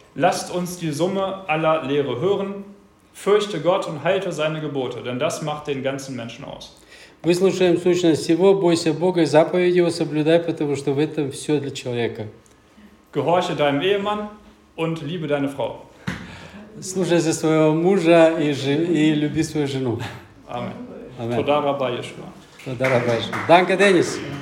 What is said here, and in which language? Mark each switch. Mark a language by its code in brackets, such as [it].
[de] Lasst uns die Summe aller Lehre hören. Fürchte Gott und halte seine Gebote, denn das macht den ganzen Menschen aus. [ru] Выслушаем сущность всего, бойся Бога и заповеди его соблюдай, потому что в этом все для человека. [de] Gehorche deinem Ehemann und liebe deine Frau. [ru] Слушайся своего мужа и люби свою жену. [he] Amen. Amen. Туда раба Ешуа. Туда раба Ешуа. [de] Danke, Денис.